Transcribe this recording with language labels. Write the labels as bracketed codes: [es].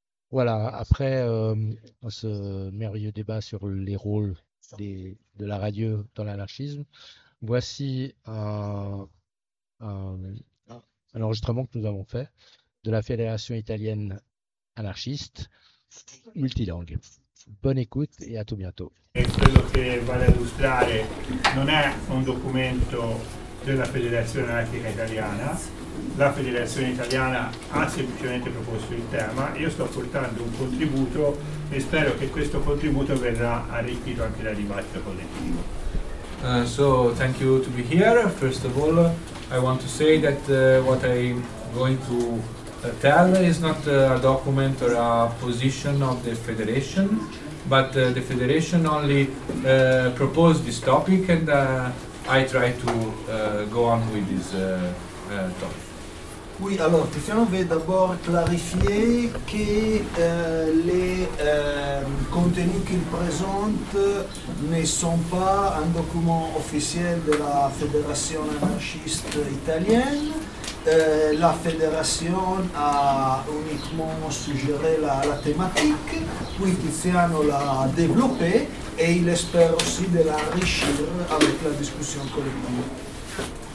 [fr] Voilà, après ce merveilleux débat sur les rôles de la radio dans l'anarchisme, voici un enregistrement que nous avons fait de la Fédération italienne anarchiste multilingue. Bonne écoute et à tout bientôt. [it] E quello che vado ad illustrare non è un documento della Federazione Anarchica Italiana, la Federazione Italiana ha semplicemente proposto il tema, io sto portando un contributo e spero che questo contributo verrà arricchito anche dal dibattito collettivo. [en] So thank you to be here. First of all, I want to say that what I'm going to tell is not a document or a position of the Federation, but the Federation only proposed this topic, and I try to go on with this topic. [fr] Oui, alors, je vais d'abord clarifier que les contenus qu'il présente ne sont pas un document officiel de la Fédération anarchiste italienne. La Fédération a uniquement suggéré la thématique, puis Tiziano l'a développée et il espère aussi de l'enrichir avec la discussion collective.